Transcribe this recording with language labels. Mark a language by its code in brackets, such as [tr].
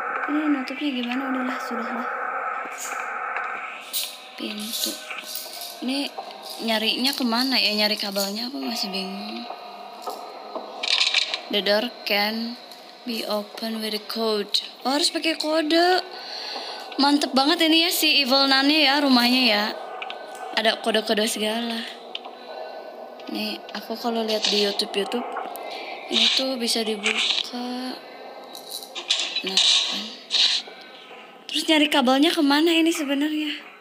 [id] Ini nutupnya gimana? Udahlah, sudahlah. Pintu. Ini nyarinya kemana ya? Nyari kabelnya aku masih bingung. [en] The door can be opened with a code. [id] Oh, harus pakai kode. Mantep banget ini ya si Evil Nun-nya ya, rumahnya ya. Ada kode-kode segala. Nih, aku kalau lihat di YouTube, ini tuh bisa dibuka. Nah, terus nyari kabelnya kemana ini sebenarnya?